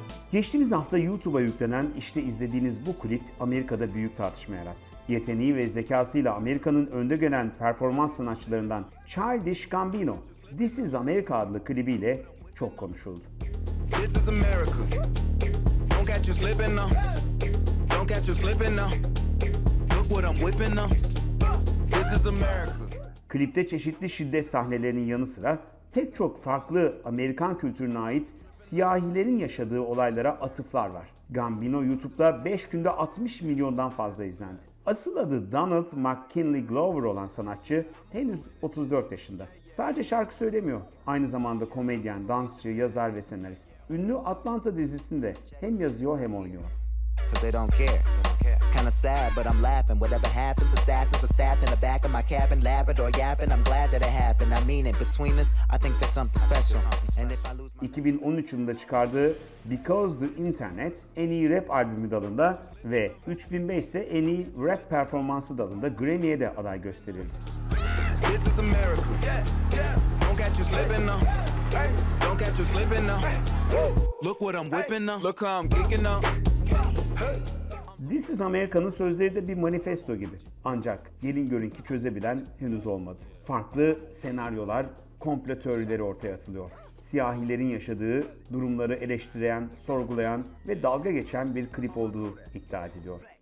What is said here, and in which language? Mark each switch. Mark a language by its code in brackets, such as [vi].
[tr] Geçtiğimiz hafta YouTube'a yüklenen işte izlediğiniz bu klip Amerika'da büyük tartışma yarattı. Yeteneği ve zekasıyla Amerika'nın önde gelen performans sanatçılarından Childish Gambino, This is America adlı klibiyle çok konuşuldu. [en] This is America. Don't catch you slipping now. Don't catch you slipping now. Look what I'm whipping now. This is America. [tr] Klipte çeşitli şiddet sahnelerinin yanı sıra pek çok farklı Amerikan kültürüne ait siyahilerin yaşadığı olaylara atıflar var. Gambino YouTube'da 5 günde 60 milyondan fazla izlendi. Asıl adı Donald McKinley Glover olan sanatçı henüz 34 yaşında. Sadece şarkı söylemiyor. Aynı zamanda komedyen, dansçı, yazar ve senarist. Ünlü Atlanta dizisinde hem yazıyor hem oynuyor. [en] They don't care. It's kind of sad, but I'm laughing. Whatever happens, assassins are stabbed in the back of my cabin. Labrador yapping, I'm glad that it happened. I mean it, between us, I think there's something special. [tr] 2013 yılında çıkardığı Because the Internet en iyi rap albümü dalında ve 3005 ise en iyi rap performansı dalında Grammy'ye de aday gösterildi. [en] This is America. Don't catch you slipping now. Don't catch you slipping now. Look what I'm whipping now. Look how I'm geeking now. [tr] This is America'nın sözleri de bir manifesto gibi. Ancak gelin görün ki çözebilen henüz olmadı. Farklı senaryolar, komplo teorileri ortaya atılıyor. Siyahilerin yaşadığı durumları eleştiren, sorgulayan ve dalga geçen bir klip olduğu iddia ediliyor.